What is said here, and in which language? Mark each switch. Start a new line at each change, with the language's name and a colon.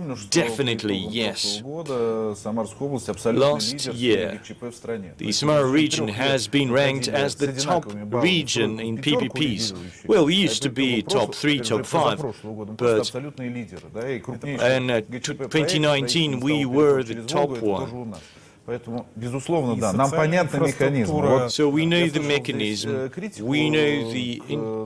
English: Definitely, yes. Last year, the Samara region has been ranked as the top region in PPPs. Well, we used to be top three, top five, but in 2019 we were the top one.
Russian: Поэтому, безусловно, да, нам понятны механизмы. Вот,
English: so we know the mechanism, we know the